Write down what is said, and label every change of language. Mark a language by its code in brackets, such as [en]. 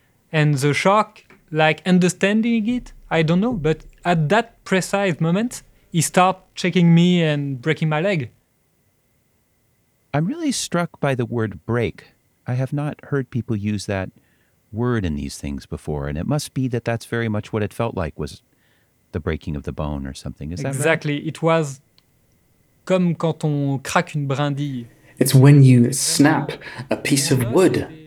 [en] And the shock, like understanding it, I don't know, but at that precise moment, he stopped checking me and breaking my leg. I'm really struck by the word break. I have not heard people use that word in these things before, and it must be that that's very much what it felt like, was the breaking of the bone or something. Is that exactly right? It was [fr] comme quand on craque une brindille. [en] It's when you snap a piece of wood.